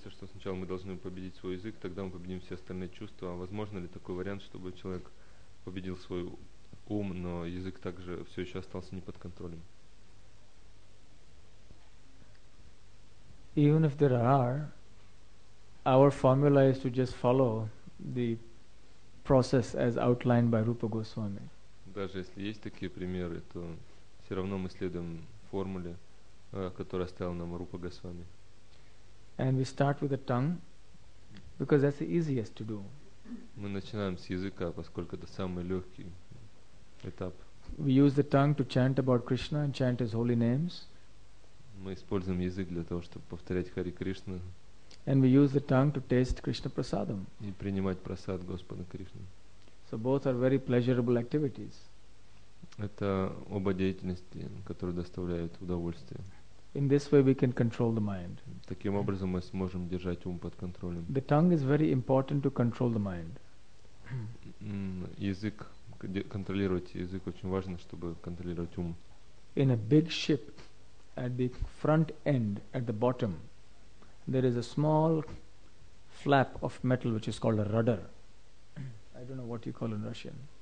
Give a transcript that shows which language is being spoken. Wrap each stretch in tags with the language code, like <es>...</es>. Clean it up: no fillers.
<ru>Сначала мы должны победить свой язык, тогда мы победим все остальные чувства. А возможно ли такой вариант, чтобы человек победил свой ум, но язык также все еще остался не под контролем?</ru> <en>Even if there are, our formula is to just follow the process as outlined by Rupa Goswami.</en> <ru>Даже если есть такие примеры, то все равно мы следуем формуле, которую оставил нам Рупа Госвами.</ru> <en>And we start with the tongue, because that's the easiest to do.</en> <ru>Мы начинаем с языка, поскольку это самый легкий этап.</ru> <en>We use the tongue to chant about Krishna and chant his holy names.</en> <ru>Мы используем язык для того, чтобы повторять Хари Кришна.</ru> <en>And we use the tongue to taste Krishna prasadam.</en> <ru>И принимать прасад Господа Кришны.</ru> <en>So both are very pleasurable activities.</en> <ru>Это оба деятельности, которые доставляют удовольствие.</ru> <en>In this way we can control the mind.</en> <ru>Таким образом мы сможем держать ум под контролем.</ru> <en>The tongue is very important to control the mind.</en> <ru>Язык, контролировать язык очень важно, чтобы контролировать ум.</ru> <en>In a big ship, at the front end, at the bottom, there is a small flap of metal which is called a rudder. I don't know what you call in Russian.</en>